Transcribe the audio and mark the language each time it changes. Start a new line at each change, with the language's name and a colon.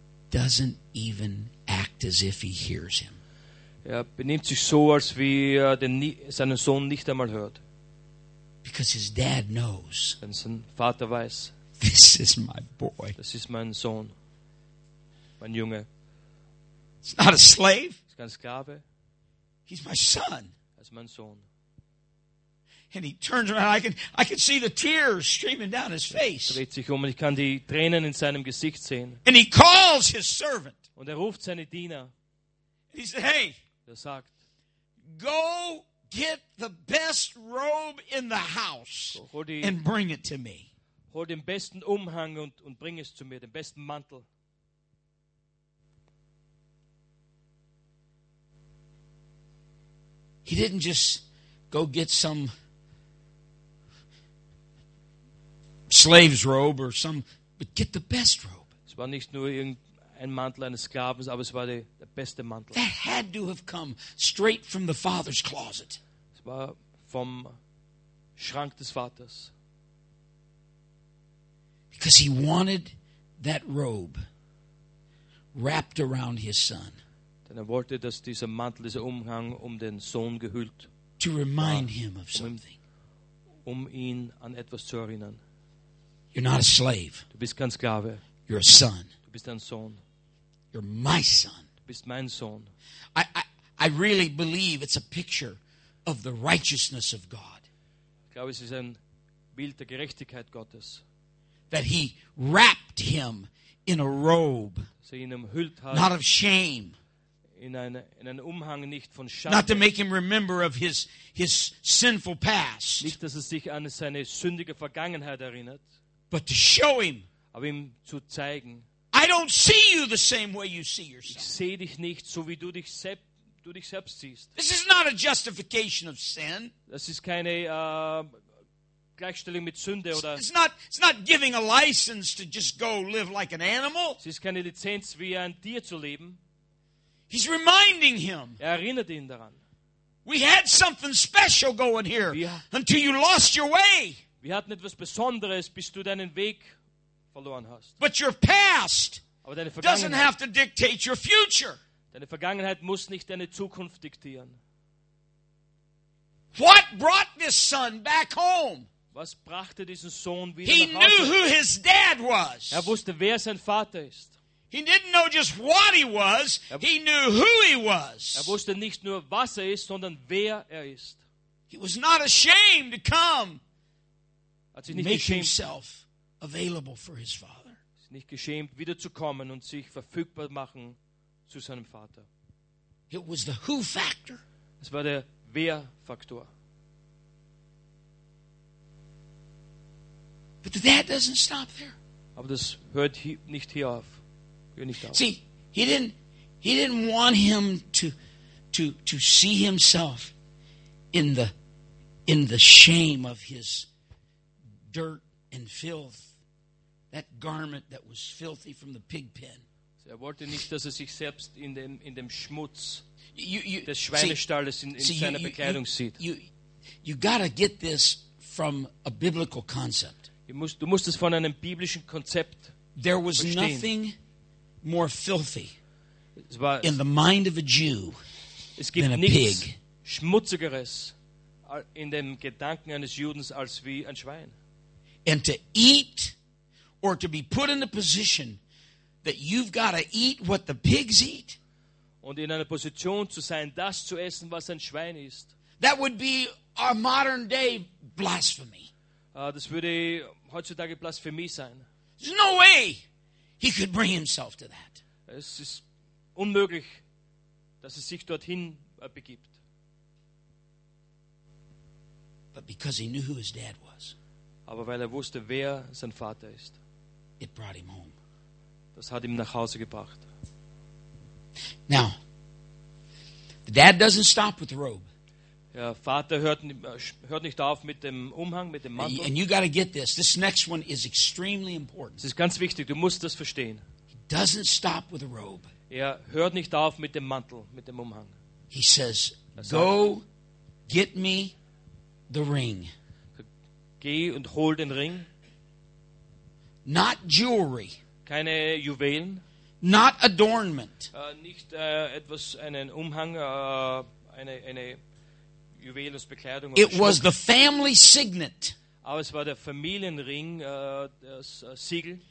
English: Doesn't even act as if he hears him.
German: Er benimmt sich so, als wie seinen Sohn nicht einmal hört.
English: Because his dad knows.
German: Denn sein Vater weiß.
English: This is my boy.
German: Das ist mein Sohn. Mein Junge.
English: It's not a slave.
German: Ist kein Sklave.
English: He's my son.
German: Das ist mein Sohn.
English: And he turns around. I can see the tears streaming down his face.
German: Er dreht sich um und ich kann die Tränen in seinem Gesicht sehen.
English: And he calls his servant.
German: Und er ruft seine Diener.
English: He says, "Hey."
German: Er sagt,
English: "Go get the best robe in the house and bring it to me."
German: Hol den besten Umhang und bring es zu mir, den besten Mantel.
English: He didn't just go get some slave's robe or some, but get the best robe.
German: Es war nicht nur irgendein Mantel eines Sklaven, aber es war der beste Mantel.
English: That had to have come straight from the father's closet.
German: Es war vom Schrank des Vaters.
English: Because he wanted that robe wrapped around his son.
German: Denn er wollte, dass dieser Mantel, dieser Umhang den Sohn gehüllt.
English: To remind him of something.
German: Um ihn an etwas zu erinnern.
English: You're not a slave.
German: Du bist kein Sklave.
English: You're a son.
German: Du bist ein Sohn.
English: You're my son.
German: Du bist mein Sohn.
English: I really believe it's a picture of the righteousness of God.
German: Ich glaube, es ist ein Bild der Gerechtigkeit Gottes.
English: That he wrapped him in a robe.
German: Dass er ihn umhüllt hat.
English: Not of shame.
German: In einen Umhang nicht von Schande.
English: Not to make him remember of his sinful past.
German: Nicht, dass er sich an seine sündige Vergangenheit erinnert.
English: But to show him,
German: aber ihm zu zeigen.
English: I don't see you the same way you see yourself.
German: Ich sehe dich nicht so wie du dich selbst siehst.
English: This is not a justification of sin.
German: Das ist keine Gleichstellung mit Sünde oder.
English: It's not giving a license to just go live like an animal.
German: Es ist keine Lizenz wie ein Tier zu leben.
English: He's reminding him.
German: Er erinnert ihn daran.
English: We had something special going here until you lost your way.
German: Wir hatten etwas Besonderes, bis du deinen Weg verloren hast.
English: But your past doesn't have to dictate your future.
German: Deine Vergangenheit muss nicht deine Zukunft diktieren.
English: What brought this son back home?
German: Was brachte diesen Sohn wieder nach Hause?
English: He knew who his dad was.
German: Er wusste, wer sein Vater ist.
English: He didn't know just what he was, he knew who he was.
German: Er wusste nicht nur, was er ist, sondern wer er ist.
English: He was not ashamed to come and make himself available for his father.
German: Er ist nicht geschämt, wiederzukommen und sich verfügbar machen zu seinem Vater.
English: It was the who factor.
German: Es war der Wer-Faktor.
English: But that doesn't stop there.
German: Aber das hört nicht hier auf.
English: See, he didn't want him to see himself in the shame of his dirt and filth, that garment that was filthy from the pig pen.
German: Er wollte nicht, dass er sich selbst in dem Schmutz des Schweinestalles in seiner Bekleidung sieht.
English: You gotta get this from a biblical concept.
German: Du musst es von einem biblischen Konzept verstehen.
English: There was nothing more filthy in the mind of a Jew than a pig.
German: Schmutzigeres in dem Gedanken eines Judens als wie ein Schwein.
English: And to eat or to be put in a position that you've got to eat what the pigs eat.
German: Und in einer Position zu sein, das zu essen, was ein Schwein ist.
English: That would be our modern day blasphemy.
German: Das würde heutzutage Blasphemie sein.
English: There's no way. He could bring himself to that.
German: Es ist unmöglich, dass er sich dorthin begibt.
English: But because he knew who his dad was.
German: Aber weil er wusste, wer sein Vater ist.
English: It brought him home.
German: Das hat ihn nach Hause gebracht.
English: Now, the dad doesn't stop with the robe.
German: Der Vater hört nicht auf mit dem Umhang, mit dem Mantel.
English: And you got to get this. This next one is extremely important.
German: Es ist ganz wichtig. Du musst das verstehen.
English: He doesn't stop with a robe.
German: Er hört nicht auf mit dem Mantel, mit dem Umhang.
English: He says, "Go, get me the ring."
German: Geh und hol den Ring.
English: Not jewelry.
German: Keine Juwelen.
English: Not adornment.
German: Nicht etwas, einen Umhang, eine Bekleidung.
English: It was the family signet.
German: Aber es war der Familienring, das Siegel.